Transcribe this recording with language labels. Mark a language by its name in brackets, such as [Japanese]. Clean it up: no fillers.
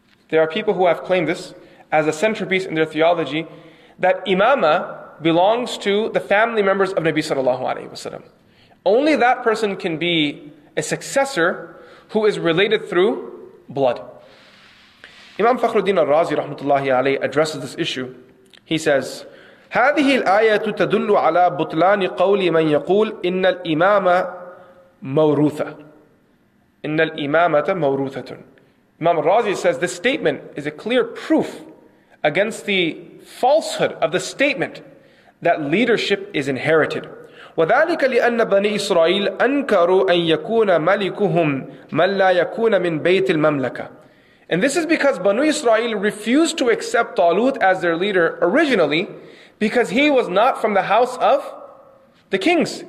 [English] There are people who have claimed this as a centerpiece in their theology, that imama belongs to the family members of Nabi sallallahu alayhi wa sallam. Only that person can be a successor who is related through blood. Imam Fakhruddin al-Razi rahmatullahi alayhi addresses this issue. He says, [Arabic] هذه الآية تدل على بطلان قول من يقول إن الإمامة موروثة. إن الإمامة موروثة. [English] Imam al-Razi says, this statement is a clear proof against the falsehood of the statement that leadership is inherited. [Arabic] وَذَلِكَ لِأَنَّ بَنِي إِسْرَائِيلَ أَنْكَرُوا أَنْ يَكُونَ مَلِكُهُمْ مَنْ لَا يَكُونَ مِنْ بَيْتِ الْمَمْلَكَةِ. [English] And this is because Banu Israel refused to accept Talut as their leader originally because he was not from the house of the kings.